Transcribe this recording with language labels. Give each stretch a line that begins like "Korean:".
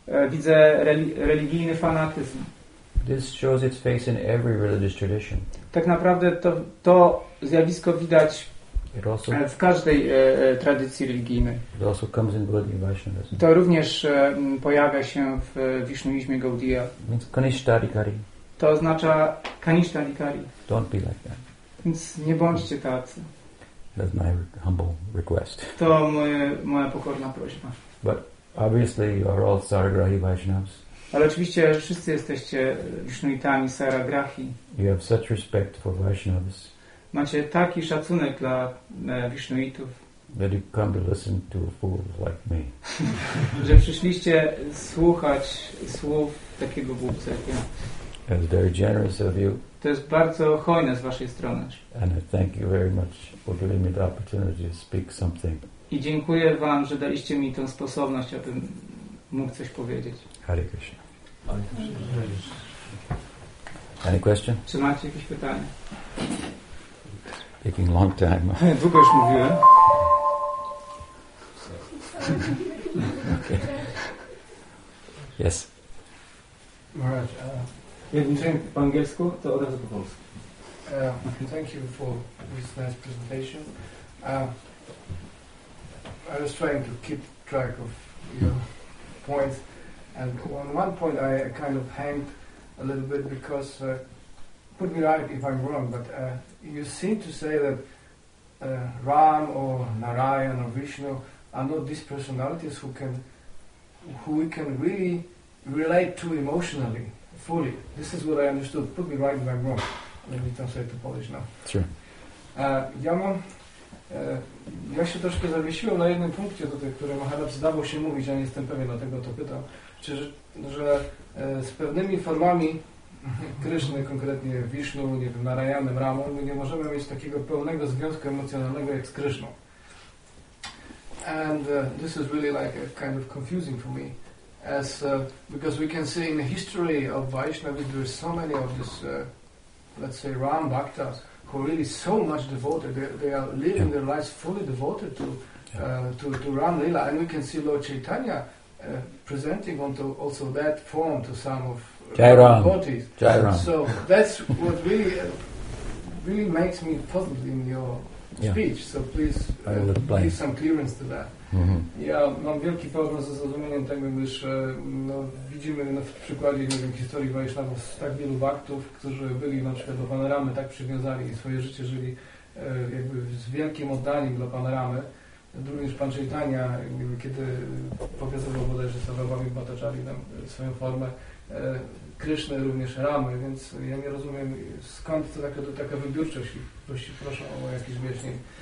Polish: Widzę religijny fanatyzm.
English: This shows its face in every religious tradition.
Polish: Tak naprawdę to zjawisko widać w każdej tradycji religijnej.
English: It also comes in Gaudiya Vaishnavism.
Polish: To również pojawia się w wisznuizmie Gaudiya.
English: Means kanishta adhikari.
Polish: To oznacza kanishta adhikari.
English: Don't be like that.
Polish: Więc nie bądźcie tacy.
English: That's my humble request.
Polish: To moja pokorna prośba.
English: But obviously you are all Saragrahi Vaishnavas.
Polish: Ale oczywiście wszyscy jesteście wisznuitami, saragrahi.
English: You have such respect for Vaishnavas.
Polish: Macie taki szacunek dla wisznuitów.
English: That you come to listen to a fool like me.
Polish: Że przyszliście słuchać słów takiego głupca jak ja.
English: That's very generous of you.
Polish: To jest bardzo hojne z waszej strony.
English: And I thank you very much for giving me the opportunity to speak something.
Polish: I dziękuję wam, że daliście mi tę sposobność, abym mógł coś powiedzieć.
English: Hare Krishna. Krishna. Any question?
Polish: Czy macie jakieś pytanie?
English: Taking long time.
Polish: Długo już mówiłem.
English: Okay. Yes.
Polish: Maharaj, jeden dzięki po angielsku, to od razu po polsku.
English: Thank you for this nice presentation. I was trying to keep track of your points, and on one point I kind of hanged a little bit because put me right if I'm wrong, but you seem to say that Ram or Narayan or Vishnu are not these personalities who we can really relate to emotionally, fully. This is what I understood. Put me right if I'm wrong. Let me translate to Polish now. Sure.
Polish: Ja się troszkę zawiesiłem na jednym punkcie tutaj, który Maharaj zdawał się mówić, ja nie jestem pewien, dlatego to pytam, czy, że z pewnymi formami Kryszny, konkretnie Wisznu, nie wiem, Narayanem, Ramą, my nie możemy mieć takiego pełnego związku emocjonalnego jak z Kryszną.
English: And this is really like a kind of confusing for me, as because we can see in the history of Vaishnavism there is so many of this, let's say, Ram Bhaktas, who are really so much devoted, they are living their lives fully devoted to Ram Lila, and we can see Lord Chaitanya presenting onto also that form to some of Jairam. Devotees. Jairam. So that's what really really makes me puzzled in your speech. So please give some clearance to that. Mm-hmm.
Polish: Ja mam wielki problem ze zrozumieniem tego, gdyż widzimy w przykładzie nie wiem, historii Vaishnavów tak wielu baktów, którzy byli na przykład do Pana Ramy tak przywiązani i swoje życie żyli jakby z wielkim oddaniem dla Pana Ramy. Również Pan Chaitanya, kiedy pokazywał bodajże Sarvabhaumi Bhattachari tam swoją formę, Kryszny również Ramy, więc ja nie rozumiem skąd taka wybiórczość i proszę o jakieś wyjaśnienie.